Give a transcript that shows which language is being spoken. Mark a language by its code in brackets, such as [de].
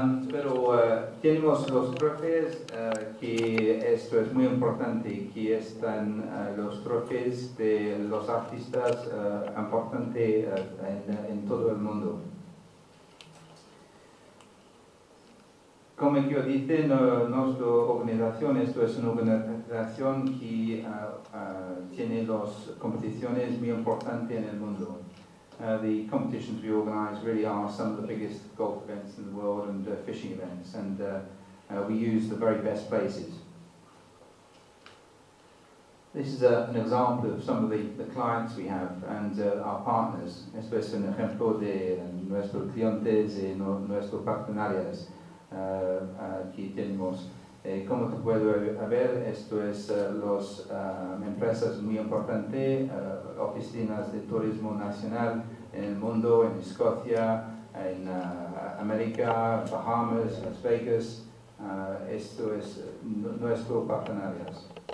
[es] Pero tenemos los trofeos, que esto es muy importante, que están los trofeos de los artistas importantes en todo el mundo. Como yo dije, nuestra organización, esto es una organización que tiene las competiciones muy importantes en el mundo. [en] The competitions we organize really are some of the biggest golf events in the world and fishing events, and we use the very best places. This is an example of some of the clients we have and our partners. [es] Esto es un ejemplo de nuestros clientes y nuestros partenarios. Aquí tenemos, como te puedo ver, esto es las empresas muy importantes, oficinas de turismo nacional en el mundo, en Escocia, en América, Bahamas, Las Vegas, esto es nuestro partenarios.